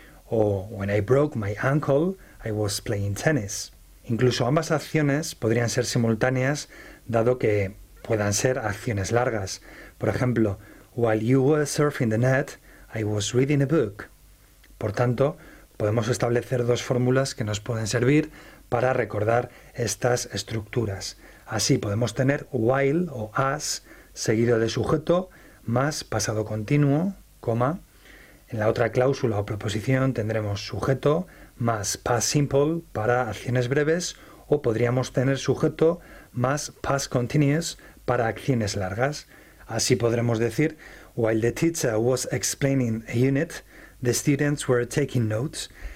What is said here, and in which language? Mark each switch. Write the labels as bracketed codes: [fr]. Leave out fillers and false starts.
[en] O, When I broke my ankle, I was playing tennis. [es] Incluso ambas acciones podrían ser simultáneas, dado que puedan ser acciones largas. Por ejemplo, [en] While you were surfing the net, I was reading a book. [es] Por tanto, podemos establecer dos fórmulas que nos pueden servir para recordar estas estructuras. Así podemos tener while o as seguido de sujeto más pasado continuo, coma. En la otra cláusula o proposición tendremos sujeto más past simple para acciones breves, o podríamos tener sujeto más past continuous para acciones largas. Así podremos decir, [en] while the teacher was explaining a unit, the students were taking notes.